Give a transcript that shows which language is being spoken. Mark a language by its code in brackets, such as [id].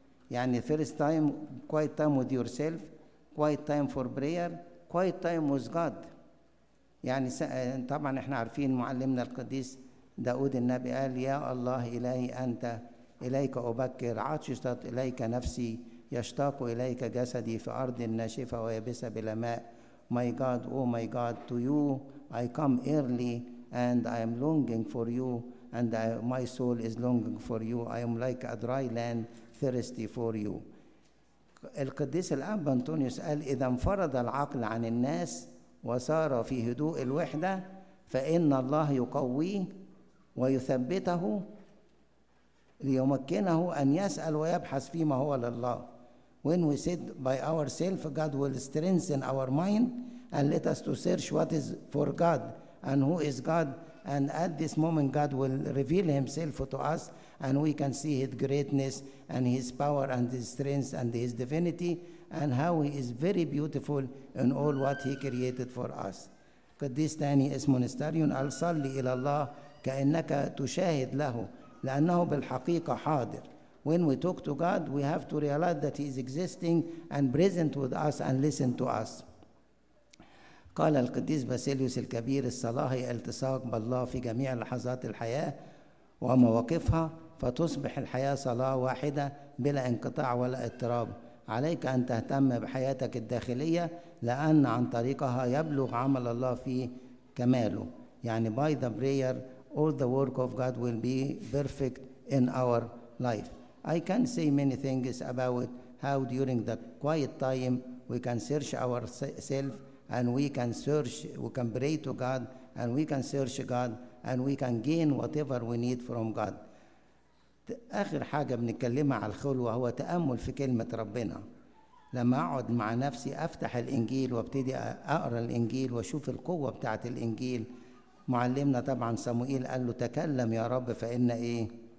[en] يعني first time, quiet time with yourself, quiet time for prayer, quiet time with God. [ar] يعني طبعا احنا عارفين معلمنا القديس داود النبي قال: يا الله إلهي أنت، إليك أبكر، عطشت إليك نفسي، يشتاق إليك جسدي في أرض ناشفة ويبسة بلا ماء. [en] My God, oh my God, to you I come early and I am longing for you, and my soul is longing for you. I am like a dry land thirsty for you. [ar] القديس الأب أنطونيوس قال: إذا انفرد العقل عن الناس وصار في هدوء الوحدة، فإن الله يقويه ويثبته ليمكنه أن يسأل ويبحث فيما هو لله. [en] When we sit by ourselves, God will strengthen our mind and let us to search what is for God and who is God. And at this moment, God will reveal himself to us, and we can see his greatness and his power and his strength and his divinity, and how he is very beautiful in all what he created for us. [ar] قديس تاني اسمه نستاريون قال: صلي إلى الله كأنك تشاهد له، لأنه بالحقيقة حاضر. [en] When we talk to God, we have to realize that he is existing and present with us and listen to us. [ar] قال القديس باسيليوس الكبير: الصلاة هي التصاق بالله في جميع لحظات الحياة ومواقفها، فتصبح الحياة صلاة واحدة بلا انقطاع ولا اضطراب. عليك أن تهتم بحياتك الداخلية، لأن عن طريقها يبلغ عمل الله في كماله. [en] يعني by the prayer, all the work of God will be perfect in our life. I can say many things about how during the quiet time we can search ourselves, and we can pray to God, and we can search God, and we can gain whatever we need from God. [ar] آخر حاجة بنتكلمها على الخلوة هو تأمل في كلمة ربنا. لما أقعد مع نفسي أفتح الإنجيل وابتدي أقرأ الإنجيل وأشوف القوة بتاعة الإنجيل. معلمنا طبعا صموئيل قال له: تكلم يا رب فإن إيه؟